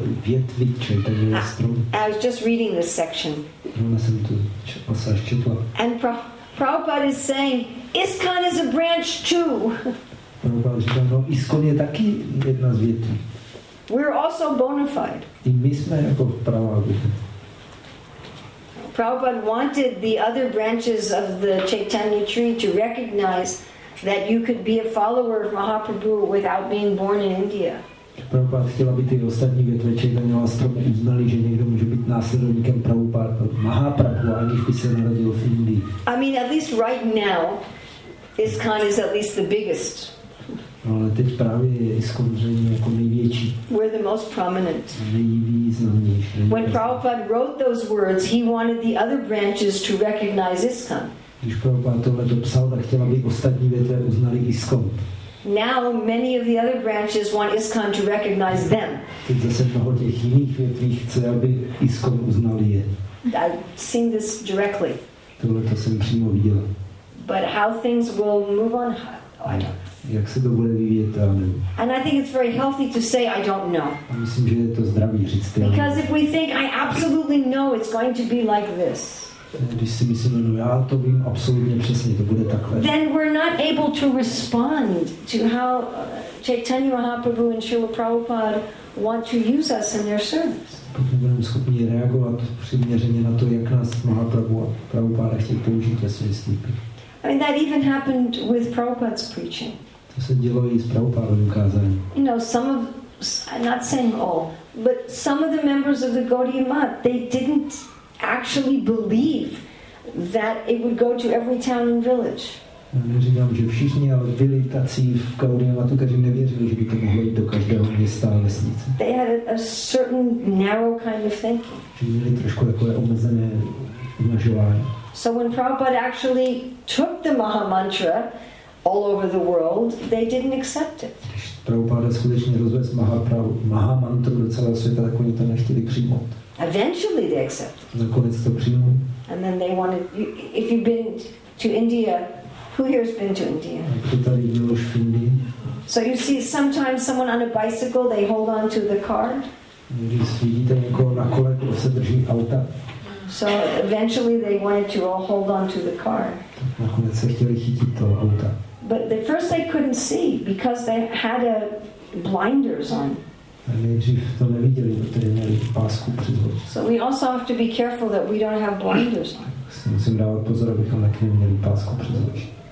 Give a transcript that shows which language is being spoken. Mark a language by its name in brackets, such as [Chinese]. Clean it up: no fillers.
[English] I was just reading this section. And Prabhupada is saying, ISKCON is a branch too. [Czech] ISKCON je taky jedna z větví. [English] We're also bona fide. [Czech] My jsme jako pravá větví. [English] Prabhupada wanted the other branches of the Chaitanya tree to recognize that you could be a follower of Mahaprabhu without being born in India. [Czech] Prabhupada chtěl, aby ty ostatní větve Chaitanyova stromu uznali, že někdo může být následovníkem Prabhupada Mahaprabhu, aniž by se narodil v Indii. [English] I mean, at least right now, ISKCON is at least the biggest. [Czech] No, ale teď právě je ISKCON jako největší. [English] We're the most prominent. [Czech] Nejvýznamnější. [English] When Prabhupada wrote those words, he wanted the other branches to recognize ISKCON. [Czech] Když Prabhupada tohle dopsal, tak chtěl, aby ostatní větve uznali ISKCON. [English] Now many of the other branches want ISKCON to recognize them. [Czech] Teď zase mnoho těch jiných větví chce, aby ISKCON uznali je. [English] I've seen this directly. [Czech] Tohle to jsem přímo viděl. [English] But how things will move on, I don't know. [Czech] jak se to bude vyvíjet, já nevím. [English] And I think it's very healthy to say I don't know. [Czech] A myslím, že je to zdravý říct, já. [English] Because if we think I absolutely know it's going to be like this. [Czech] Když si myslíme, no já to vím absolutně přesně, to bude takhle. [English] Then we're not able to respond to how Chaitanya Mahaprabhu and Srila Prabhupada want to use us in their service. [Czech] Pokud nebudeme schopni reagovat přiměřeně na to, jak nás Mahaprabhu a Prabhupada chtějí použít ve své stýpě. [English] I mean, that even happened with Prabhupada's preaching. [Czech] To se dělo i s Prabhupádovým kázáním. [English] You know, some of, not saying all, but some of the members of the Gaudiya Math, they didn't actually believe that it would go to every town and village. [Czech] Neříkám, že všichni, ale byli tací v Gaudiya Mathu, kteří nevěřili, že by to mohlo jít do každého města a vesnice. [English] They had a certain narrow kind of thinking. [Czech] Že měli trošku takové omezené uvažování. [English] So when Prabhupada actually took the Maha Mantra all over the world, they didn't accept it. [Czech] Prabhupada skutečně rozvést Maha Mantru do celého světa, tak oni to nechtěli přijmout. [English] Eventually they accepted. [Czech] Nakonec to přijmou. [English] And then they wanted, if you've been to India, who here has been to India? [Czech] Kdo tady byl už v Indii? [English] So you see sometimes someone on a bicycle, they hold on to the car. [Czech] Když vidíte někoho na kole, kdo se drží auta. [English] So eventually they wanted to all hold on to the car. [Czech] Nakonec se chtěli chytit toho auta. [English] But at first they couldn't see because they had a blinders on. [Czech] A nejdřív to neviděli, protože měli pásku přes oči. [English] So we also have to be careful that we don't have blinders on. [Czech] Musím dávat pozor, abychom taky neměli pásku přes oči.